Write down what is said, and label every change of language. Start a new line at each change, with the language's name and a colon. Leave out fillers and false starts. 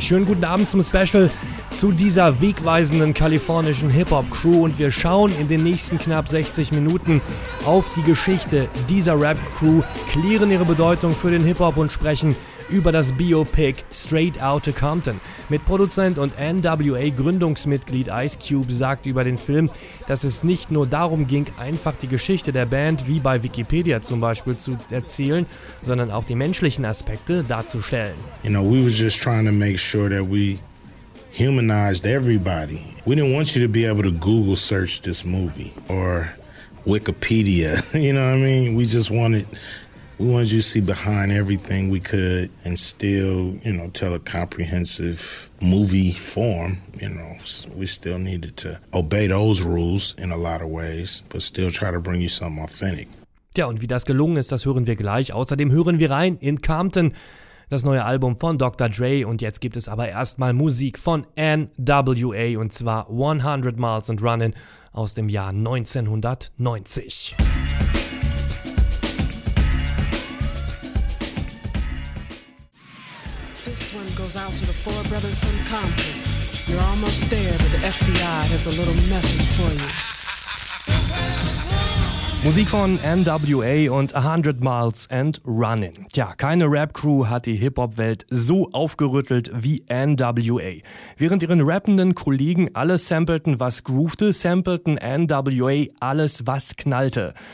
German: Schönen guten Abend zum Special zu dieser wegweisenden kalifornischen Hip-Hop-Crew, und wir schauen in den nächsten knapp 60 Minuten auf die Geschichte dieser Rap-Crew, klären ihre Bedeutung für den Hip-Hop und sprechen über das Biopic Straight Outta Compton. Mit Produzent und NWA-Gründungsmitglied Ice Cube sagt über den Film, dass es nicht nur darum ging, einfach die Geschichte der Band wie bei Wikipedia zum Beispiel zu erzählen, sondern auch die menschlichen Aspekte darzustellen.
English: You know, we was just trying to make sure that we humanized everybody. We didn't want you to be able to Google search this movie or Wikipedia, you know what I mean? We wanted you to see behind everything we could and still, you know, tell a comprehensive movie form. You know, we still needed to obey those rules in a lot of ways, but still try to bring you something authentic.
German: Tja, und wie das gelungen ist, das hören wir gleich. Außerdem hören wir rein in Compton, das neue Album von Dr. Dre. Und jetzt gibt es aber erstmal Musik von NWA, und zwar 100 Miles and Running aus dem Jahr 1990.
English: Goes out to the four brothers from Compton. You're almost there, but the FBI has a little message for you.
German: Musik von NWA und 100 Miles and Running. Tja, keine Rap-Crew hat die Hip-Hop-Welt so aufgerüttelt wie NWA. Während ihren rappenden Kollegen alles sampleten, was groovte, sampleten NWA alles, was knallte.